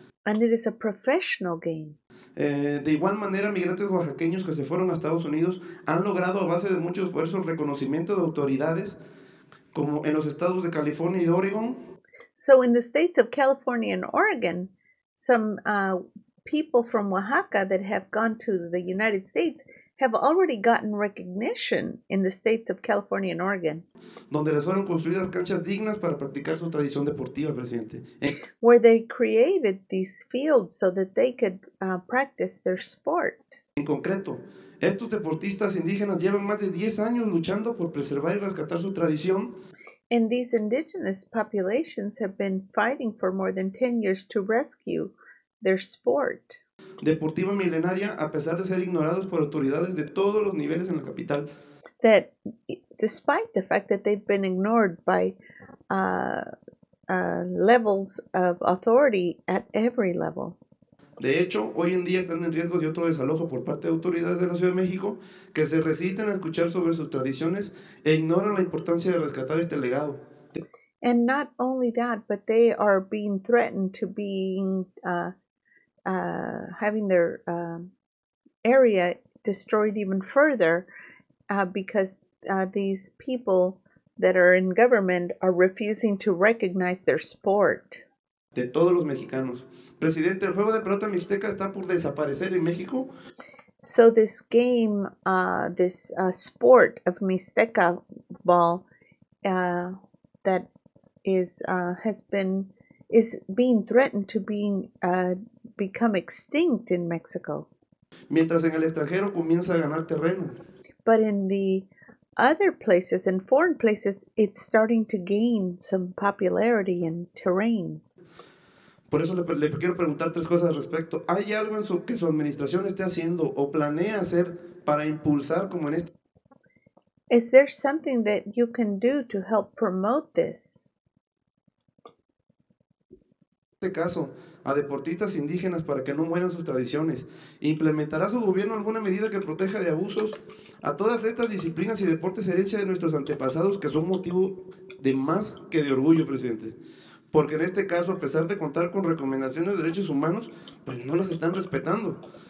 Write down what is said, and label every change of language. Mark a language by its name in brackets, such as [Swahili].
[English] And it is a professional game. [Spanish] De igual manera, migrantes oaxaqueños que se fueron a Estados Unidos han logrado a base de mucho esfuerzo reconocimiento de autoridades como en los estados de California y de Oregon. [English] So in the states of California and Oregon, some people from Oaxaca that have gone to the United States have already gotten recognition in the states of California and Oregon. [Spanish] Donde les fueron construidas canchas dignas para practicar su tradición deportiva, presidente. [English] Where they created these fields so that they could practice their sport. [Spanish] En concreto, estos deportistas indígenas llevan más de 10 años luchando por preservar y rescatar su tradición. [English] And these indigenous populations have been fighting for more than 10 years to rescue their sport. [Spanish] Deportiva milenaria, a pesar de ser ignorados por autoridades de todos los niveles en la capital. [English] That, despite the fact that they've been ignored by levels of authority at every level. [Spanish] De hecho, hoy en día están en riesgo de otro desalojo por parte de autoridades de la Ciudad de México que se resisten a escuchar sobre sus tradiciones e ignoran la importancia de rescatar este legado. [English] And not only that, but they are being threatened to being having their area destroyed even further because these people that are in government are refusing to recognize their sport. [Spanish] De todos los mexicanos. Presidente, ¿el juego de pelota mixteca está por desaparecer en México? [English] So this game, this sport of mixteca ball that is has been, is being threatened to being become extinct in Mexico. [Spanish] Mientras en el extranjero comienza a ganar terreno. [English] But in the other places, in foreign places, it's starting to gain some popularity and terrain. [Spanish] Por eso le quiero preguntar 3 cosas al respecto. ¿Hay algo en que su administración esté haciendo o planea hacer para impulsar como en este? [English] Is there something that you can do to help promote this? [Spanish] En este caso, a deportistas indígenas para que no mueran sus tradiciones. ¿Implementará su gobierno alguna medida que proteja de abusos a todas estas disciplinas y deportes herencia de nuestros antepasados que son motivo de más que de orgullo, presidente? Porque en este caso, a pesar de contar con recomendaciones de derechos humanos, pues no las están respetando.